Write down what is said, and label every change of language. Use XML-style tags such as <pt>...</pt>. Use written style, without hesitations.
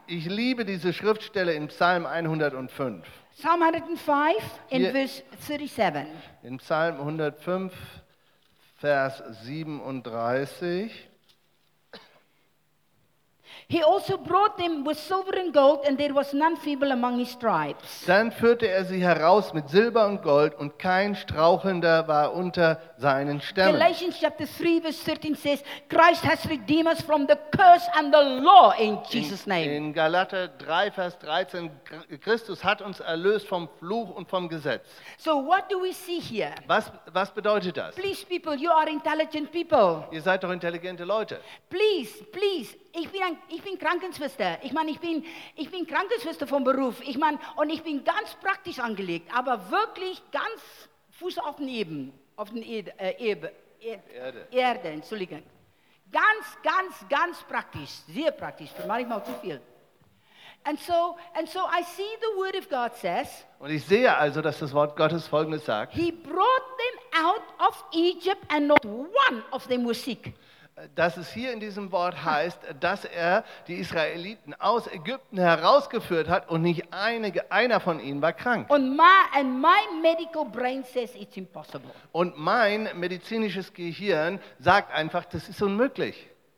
<de>Ich liebe diese Schriftstelle in Psalm 105. Psalm 105 in hier, verse 37. In Psalm 105, Vers 37.</de> <en>He also brought them with silver and gold, and there was none feeble among his tribes.</en> <de>Dann führte er sie heraus mit Silber und Gold, und kein Strauchelnder war unter seinen Stämmen.</de> <en>Galatians chapter 3 verse 13 says, Christ has redeemed us from the curse and the law in Jesus' name.</en> <de>In Galater 3 vers 13, Christus hat uns erlöst vom Fluch und vom Gesetz.</de> <en>So what do we see here?</en> <de>Was bedeutet das?</de> <en>Please people, you are intelligent people.</en> <de>Ihr seid doch intelligente Leute. Please. Ich bin Krankenschwester. Ich bin Krankenschwester vom Beruf. Und ich bin ganz praktisch angelegt, aber wirklich ganz Fuß auf den Eben, auf den Erde. Entschuldigung. Ganz praktisch, sehr praktisch. Das mache ich mal zu viel.</de> <en>And so I see the word of God says.</en> <de>Und ich sehe also, dass das Wort Gottes Folgendes sagt.</de> <en>He brought them out of Egypt, and not one of them was sick.</en> <de>Dass es hier in diesem Wort heißt, dass er die Israeliten aus Ägypten herausgeführt hat und nicht einer von ihnen war krank.</de> <en>And my medical brain says it's impossible.</en> <de>Und mein medizinisches Gehirn sagt einfach, das ist unmöglich.</de>